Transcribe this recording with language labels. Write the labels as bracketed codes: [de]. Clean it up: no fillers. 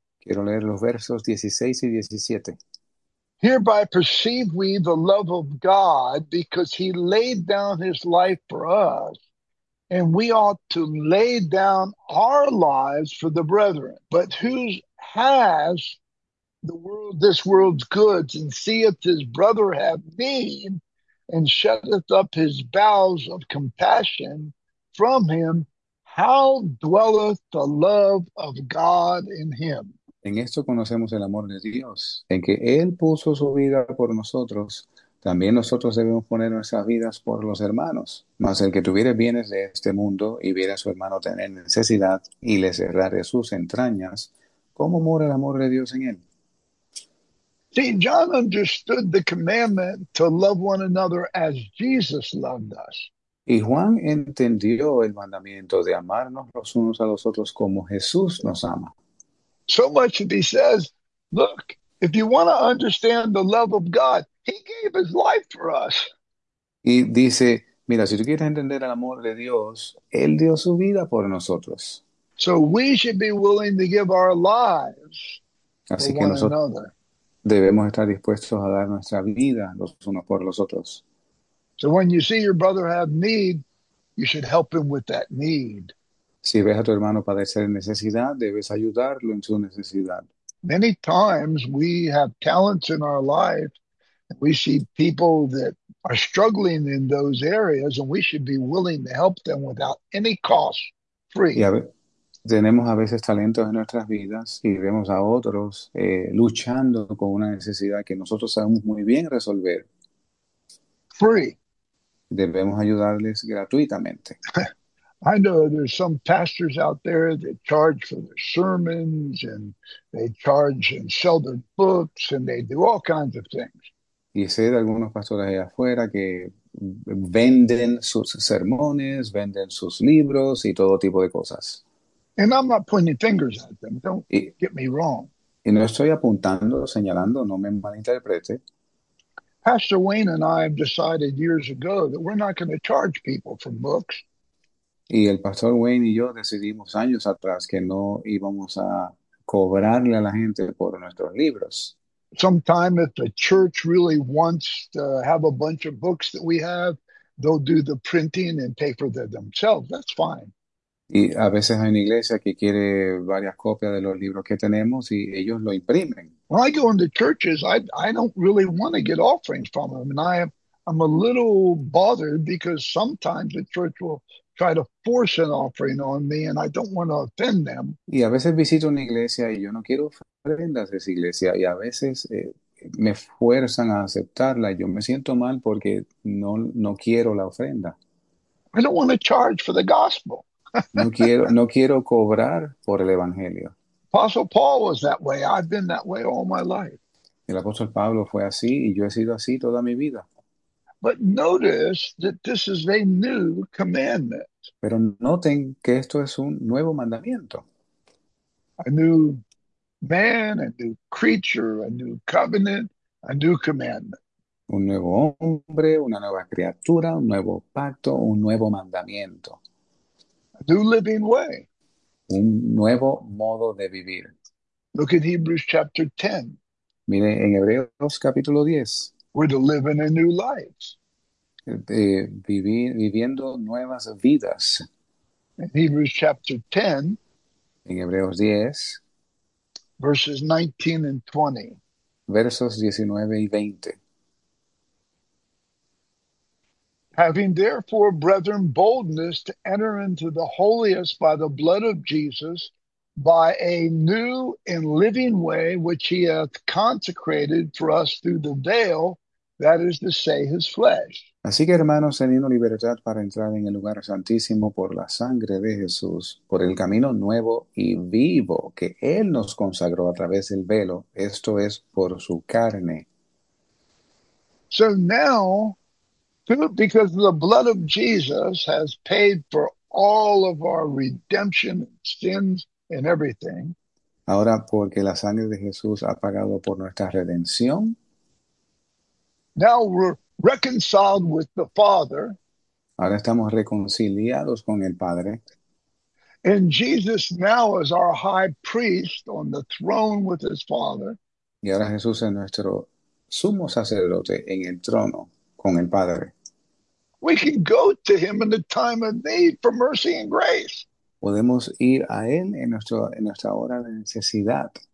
[es] quiero leer los versos 16 y 17. [en] Hereby perceive we the love of God, because he laid down his life for us, and we ought to lay down our lives for the brethren. But whose has the world, this world's goods, and seeth his brother have need, and shutteth up his bowels of compassion from him, how dwelleth the love of God in him? [es] En esto conocemos el amor de Dios, en que Él puso su vida por nosotros. También nosotros debemos poner nuestras vidas por los hermanos. Mas el que tuviere bienes de este mundo y viera a su hermano tener necesidad y le cerrare sus entrañas, ¿cómo mora el amor de Dios en él? [en] See, John understood the commandment to love one another as Jesus loved us. [es] Y Juan entendió el mandamiento de amarnos los unos a los otros como Jesús nos ama. [en] So much that he says, look, if you want to understand the love of God, he gave his life for us. [es] Y dice, mira, si tú quieres entender el amor de Dios, Él dio su vida por nosotros. [en] So we should be willing to give our lives for [es] Así que [en] one [es] nosotros [en] another. [es] debemos estar dispuestos a dar nuestra vida los unos por los otros. [en] So when you see your brother have need, you should help him with that need. [es] Si ves a tu hermano padecer necesidad, debes ayudarlo en su necesidad. [en] Many times we have talents in our life, and we see people that are struggling in those areas, and we should be willing to help them without any cost, [es] Y [en] free. [es] tenemos a veces talentos en nuestras vidas y vemos a otros luchando con una necesidad que nosotros sabemos muy bien resolver. [en] Free. [es] Debemos ayudarles gratuitamente. [en] I know there's some pastors out there that charge for their sermons and they charge and sell their books and they do all kinds of things. [es] Y sé de algunos pastores allá afuera que venden sus sermones, venden sus libros y todo tipo de cosas. [en] And I'm not pointing fingers at them. Don't [es] Y [en] get me wrong. [es] no estoy apuntando, señalando, no me malinterprete. [en] Pastor Wayne and I have decided years ago that we're not going to charge people for books. [es] Y el pastor Wayne y yo decidimos años atrás que no íbamos a cobrarle a la gente por nuestros libros. [en] Sometime, if the church really wants to have a bunch of books that we have, they'll do the printing and pay for them themselves. That's fine. [es] Y a veces hay una iglesia que quiere varias copias de los libros que tenemos y ellos lo imprimen. [en] When I go into churches, I don't really want to get offerings from them. And I'm a little bothered because sometimes the church will try to force an offering on me and I don't want to offend them. [es] Y a veces visito una iglesia y yo no quiero ofrendas de esa iglesia y a veces me fuerzan a aceptarla y yo me siento mal porque no quiero la ofrenda. [en] I don't want to charge for the gospel. [es] No quiero cobrar por el Evangelio. [en] Apostle Paul was that way. I've been that way all my life. [es] El apóstol Pablo fue así y yo he sido así toda mi vida. [en] But notice that this is a new commandment. [es] Pero noten que esto es un nuevo mandamiento. [en] A new man, a new creature, a new covenant, a new commandment. [es] Un nuevo hombre, una nueva criatura, un nuevo pacto, un nuevo mandamiento. [en] A new living way. [es] Un nuevo modo de vivir. [en] Look at Hebrews chapter 10. [es] Mire, en Hebreos capítulo 10, [en] We're to live in a new life. [es] viviendo nuevas vidas. [en] In Hebrews chapter 10, [es] En Hebreos 10, [en] verses 19 and 20. [es] versos 19 y 20. [en] Having therefore, brethren, boldness to enter into the holiest by the blood of Jesus, by a new and living way which he hath consecrated for us through the veil, that is to say, his flesh. [es] Así que hermanos, teniendo libertad para entrar en el lugar santísimo por la sangre de Jesús, por el camino nuevo y vivo que Él nos consagró a través del velo, esto es por su carne. [en] So now, because the blood of Jesus has paid for all of our redemption and sins. And everything. [es] Ahora, porque la sangre de Jesús ha pagado por nuestra redención, [en] Now we're reconciled with the Father. [es] ahora estamos reconciliados con el Padre. [en] And Jesus now is our high priest on the throne with his Father. [es] Y ahora Jesús es nuestro sumo sacerdote en el trono con el Padre. [en] We can go to him in the time of need for mercy and grace. [es] Podemos ir a Él en nuestra hora de necesidad.